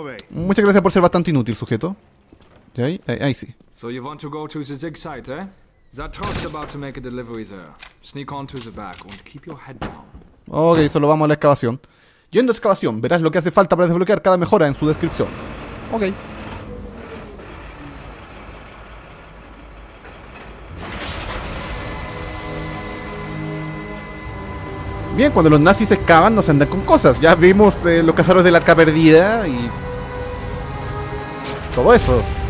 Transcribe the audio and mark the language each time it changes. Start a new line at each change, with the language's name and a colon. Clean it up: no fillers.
Spanish: Muchas gracias por ser bastante inútil, sujeto. ¿Y ahí? Ahí sí.
English: So you want to go to the dig site, eh? That truck's about to make a delivery, sir. Sneak on to the back and keep your head down.
Spanish: Ok, solo vamos a la excavación. Yendo a excavación, verás lo que hace falta para desbloquear cada mejora en su descripción. Ok. Bien. Bien, cuando los nazis excavan, nos andan con cosas. Ya vimos los cazadores del arca perdida y todo eso.